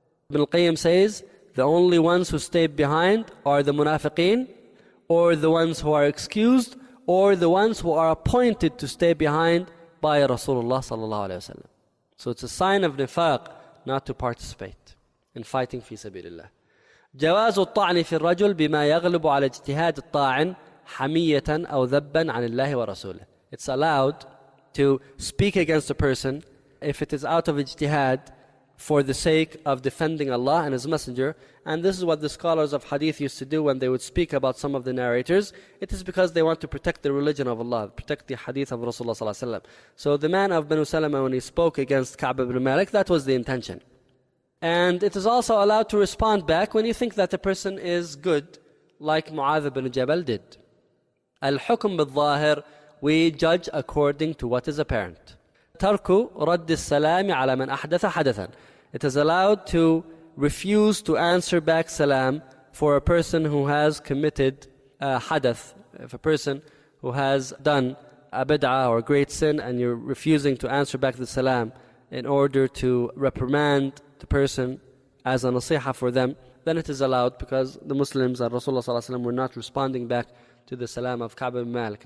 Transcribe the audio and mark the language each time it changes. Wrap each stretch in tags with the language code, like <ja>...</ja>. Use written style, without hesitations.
<en>Ibn al-Qayyim says, the only ones who stayed behind are the munafiqeen, or the ones who are excused, or the ones who are appointed to stay behind by Rasulullah sallallahu alayhi wa sallam. So it's a sign of nifaq not to participate in fighting fi sabilillah.</en> <ar>جواز الطعن في الرجل بما يغلب على اجتهاد الطاعن حمية أو ذبا عن الله ورسوله.</ar> <en>It's allowed to speak against a person if it is out of اجتهاد for the sake of defending Allah and His Messenger. And this is what the scholars of hadith used to do when they would speak about some of the narrators. It is because they want to protect the religion of Allah, protect the hadith of Rasulullah sallallahu alaihi wasallam. So the man of Banu Salama, when he spoke against Ka'b ibn Malik, that was the intention. And it is also allowed to respond back when you think that the person is good, like Mu'adh ibn Jabal did. Al-hukm bil-zahir, we judge according to what is apparent.</en> <ar>تَرْكُ رَدِّ السَّلَامِ عَلَى مَنْ أَحْدَثَ حَدَثًا.</ar> <en>It is allowed to refuse to answer back salam for a person who has committed a hadath. If a person who has done a bid'ah or a great sin and you're refusing to answer back the salam in order to reprimand the person as a nasiha for them, then it is allowed because the Muslims and Rasulullah ﷺ were not responding back to the salam of Ka'b ibn Malik.</en>